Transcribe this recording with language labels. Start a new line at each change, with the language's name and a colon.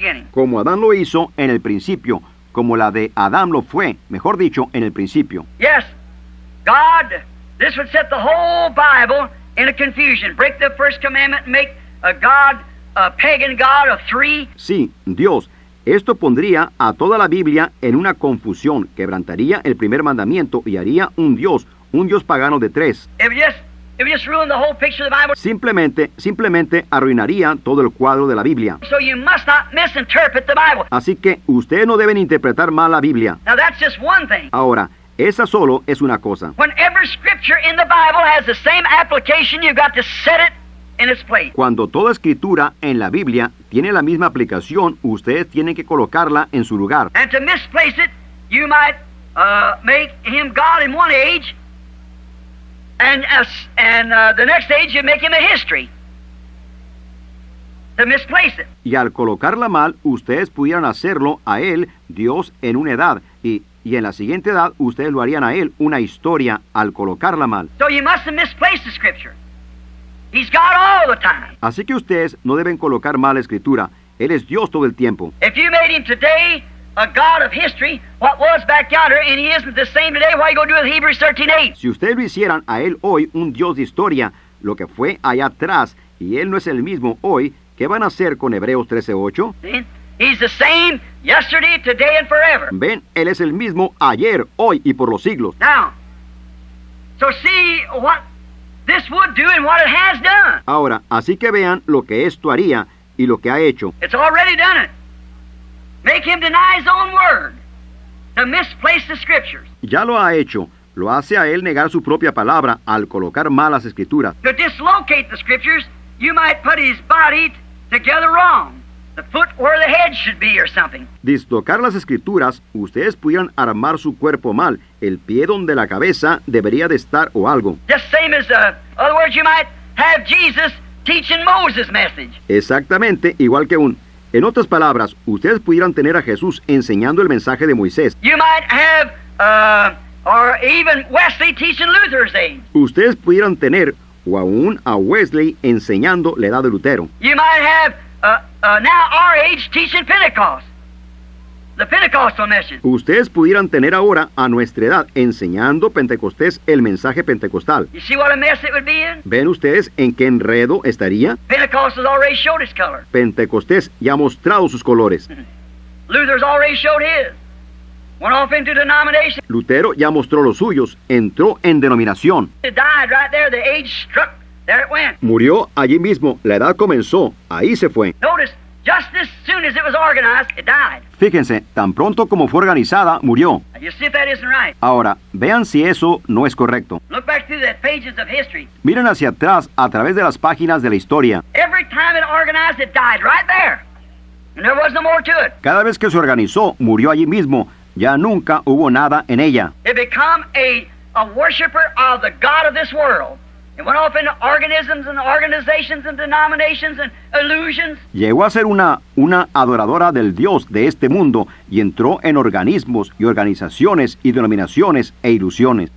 Spanish: Como Adán lo hizo en el principio. Como la de Adán lo fue, mejor dicho, en el principio.
English: Yes, God, this would set the whole Bible in a confusion. Break the first commandment and make a God, a pagan God of three.
Spanish: Sí, Dios. Esto pondría a toda la Biblia en una confusión, quebrantaría el primer mandamiento y haría un Dios pagano de tres.
English: It would just ruin the whole picture of the Bible.
Spanish: Simplemente arruinaría todo el cuadro de la Biblia.
English: So you must not misinterpret the Bible.
Spanish: Así que ustedes no deben interpretar mal la Biblia.
English: Now that's just one thing.
Spanish: Ahora, esa solo es una cosa.
English: When every scripture in the Bible has the same application, you've got to set it.
Spanish: Cuando toda escritura en la Biblia tiene la misma aplicación, ustedes tienen que colocarla en su lugar.
English: And to misplace it, you might make him God in one age, and the next age you make him a history. To misplace it.
Spanish: Y al colocarla mal, ustedes pudieran hacerlo a él Dios en una edad, y en la siguiente edad ustedes lo harían a él una historia al colocarla mal.
English: So you mustn't misplace the scripture. He's God all the time.
Spanish: Así que ustedes no deben colocar mal la escritura. Él es Dios todo el tiempo.
English: If you made him today a God of history, what was back yonder, and he isn't the same today, what are you going to do with Hebrews 13:8?
Spanish: Si ustedes lo hicieran a él hoy un Dios de historia, lo que fue allá atrás, y él no es el mismo hoy, ¿qué van a hacer con Hebreos 13:8?
English: He's the same yesterday, today, and forever.
Spanish: Ven, él es el mismo ayer, hoy, y por los siglos.
English: Now, so see what this would do and what it has done.
Spanish: Ahora, así que vean lo que esto haría y lo que ha hecho.
English: It's already done it. Make him deny his own word to misplace the scriptures.
Spanish: Ya lo ha hecho. Lo hace a él negar su propia palabra al colocar malas escrituras.
English: To dislocate the scriptures, you might put his body together wrong. The foot where the head should be or something.
Spanish: Dislocar las escrituras, ustedes pudieran armar su cuerpo mal. El pie donde la cabeza debería de estar o algo.
English: Just same as, other words, you might have Jesus teaching Moses' message.
Spanish: Exactamente, igual que un... En otras palabras, ustedes pudieran tener a Jesús enseñando el mensaje de Moisés.
English: You might have, or even Wesley teaching Luther's age.
Spanish: Ustedes pudieran tener, o aún a Wesley enseñando la edad de Lutero.
English: You might have, now our age teaching Pentecost, the Pentecostal message.
Spanish: Ustedes pudieran tener ahora a nuestra edad enseñando Pentecostés el mensaje pentecostal.
English: You see what a mess it would be in?
Spanish: ¿Ven ustedes en qué enredo estaría?
English: Pentecost has already showed his color.
Spanish: Pentecostés ya ha mostrado sus colores.
English: Luther's already showed his. Went off into denomination.
Spanish: Lutero ya mostró los suyos, entró en denominación.
English: It died right there, the age struck. There it went.
Spanish: Murió allí mismo, la edad comenzó, ahí se fue.
English: Notice, just as soon as it was organized, it died.
Spanish: Fíjense, tan pronto como fue organizada, murió.
English: You see if that isn't right.
Spanish: Ahora, vean si eso no es correcto.
English: Look back through the pages of history.
Spanish: Miren hacia atrás a través de las páginas de la historia.
English: Every time it organized, it died right there. And there was no more to it.
Spanish: Cada vez que se organizó, murió allí mismo. Ya nunca hubo nada en ella.
English: It became a worshiper of the God of this world. It went off into organisms and organizations and denominations and illusions.
Spanish: Llegó a ser una adoradora del Dios de este mundo y entró en organismos y organizaciones y denominaciones e ilusiones.